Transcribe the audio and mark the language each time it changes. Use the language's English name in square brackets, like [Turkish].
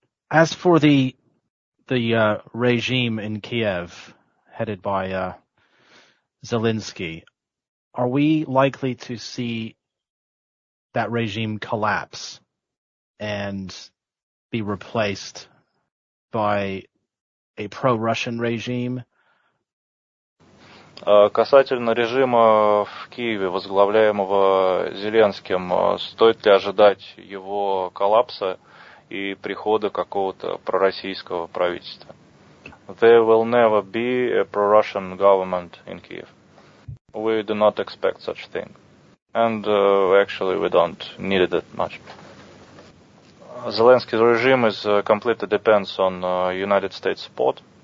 [English] As for the regime in Kiev, headed by Zelensky, are we likely to see that regime collapse and be replaced by a pro-Russian regime? [Russian] Касательно режима в Киеве, возглавляемого Зеленским, стоит ли ожидать его коллапса и прихода какого-то пророссийского правительства? [English] there will never be a pro-Russian government in Kyiv. We do not expect such thing. And actually, we don't need it that much. Zelensky's regime is completely depends on United States support.